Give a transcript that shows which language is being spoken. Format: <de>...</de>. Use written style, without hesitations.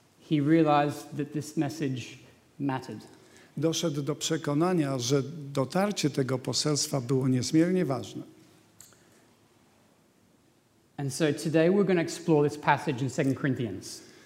<en>He realized that this message mattered.</en> <pl>Doszedł do przekonania, że dotarcie tego poselstwa było niezmiernie ważne.</pl> <en>And so today we're going to explore this passage in 2 Corinthians.</en>